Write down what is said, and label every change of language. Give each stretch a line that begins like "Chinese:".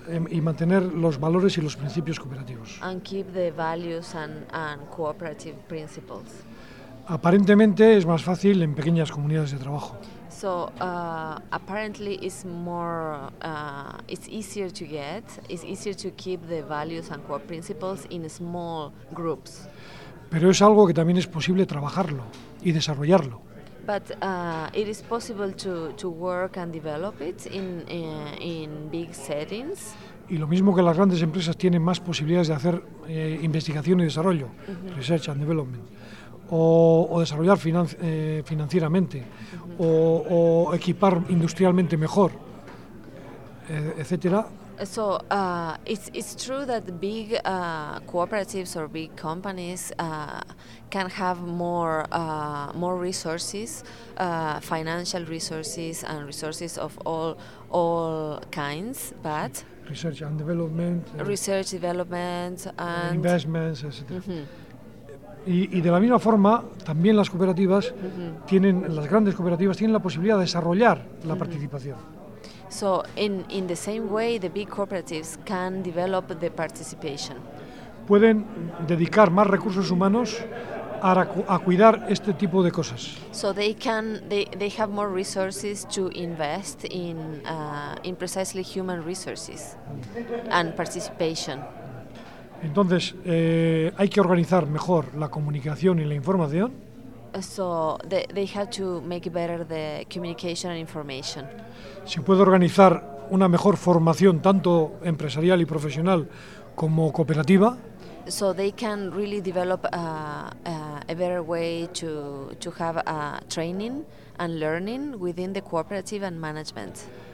Spanish: y mantener los valores y los principios cooperativos.
English: And keep the values and cooperative principles.
Spanish: Aparentemente es más fácil en pequeñas comunidades de trabajo.
English: So apparently it's more it's easier to get, it's easier to keep the values and core principles in small groups.
Spanish: Pero es algo que también es posible trabajarlo y desarrollarlo.
English: But it is possible to work and develop it in big settings.
Spanish: Y lo mismo que las grandes empresas tienen más posibilidades de hacer investigación y desarrollo,
English: research and development.
Spanish: O desarrollar financieramente, o equipar industrialmente mejor, etcétera.
English: So it's true that big cooperatives or big companies can have more resources, financial resources and resources of all kinds, but research and development, research development and investments, etcétera.
Spanish: Y de la misma forma, también las cooperativas tienen, las grandes cooperativas tienen la posibilidad de desarrollar la participación.
English: So, in the same way, the big cooperatives can develop the participation.
Spanish: Pueden dedicar más recursos humanos a cuidar este tipo de cosas.
English: So they have more resources to invest in precisely human resources and participation.
Spanish: Entonces, hay que organizar mejor la comunicación y la información.
English: So they have to make better the communication and information.
Spanish: Se puede organizar una mejor formación tanto empresarial y profesional como cooperativa.
English: So they can really develop a better way to have a training and learning within the cooperative and management.